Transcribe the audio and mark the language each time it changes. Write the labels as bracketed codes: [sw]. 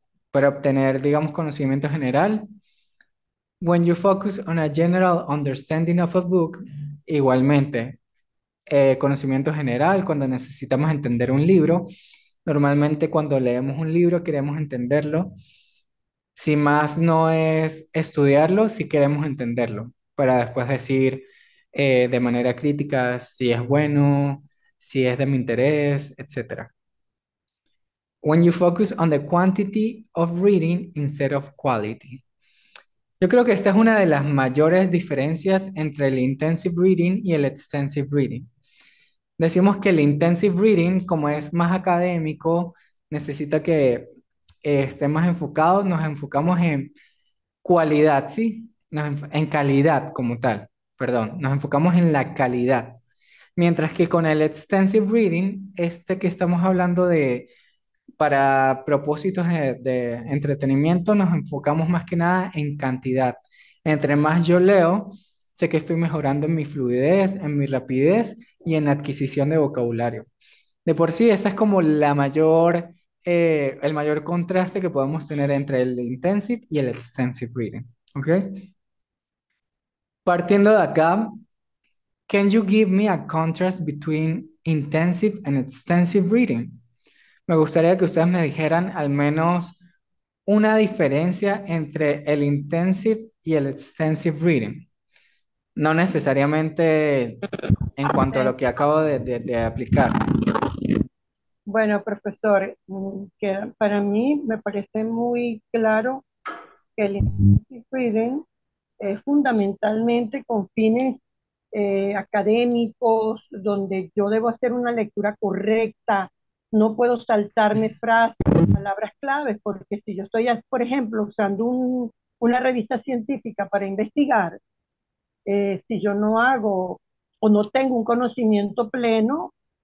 [es] Para obtener, digamos, conocimiento general. [en] When you focus on a general understanding of a book, [es] igualmente, conocimiento general, cuando necesitamos entender un libro, normalmente cuando leemos un libro queremos entenderlo. Si más no es estudiarlo, si queremos entenderlo, para después decir de manera crítica si es bueno, si es de mi interés, etc. [en] When you focus on the quantity of reading instead of quality. [es] Yo creo que esta es una de las mayores diferencias entre el intensive reading y el extensive reading. Decimos que el intensive reading, como es más académico, necesita que esté más enfocado, nos enfocamos en cualidad, ¿sí? En calidad como tal, perdón, nos enfocamos en la calidad. Mientras que con el extensive reading, este que estamos hablando de para propósitos de entretenimiento, nos enfocamos más que nada en cantidad. Entre más yo leo, sé que estoy mejorando en mi fluidez, en mi rapidez y en la adquisición de vocabulario. De por sí, esa es como la mayor. El mayor contraste que podemos tener entre el intensive y el extensive reading. ¿Ok? Partiendo de acá, [en] can you give me a contrast between intensive and extensive reading? [es] Me gustaría que ustedes me dijeran al menos una diferencia entre el intensive y el extensive reading. No necesariamente en cuanto a lo que acabo de aplicar. Bueno, profesor, que para mí me parece muy claro que el intensive reading es fundamentalmente con fines académicos, donde yo debo hacer una lectura correcta, no puedo saltarme frases o palabras claves, porque si yo estoy, por ejemplo, usando una revista científica para investigar, si yo no hago o no tengo un conocimiento pleno,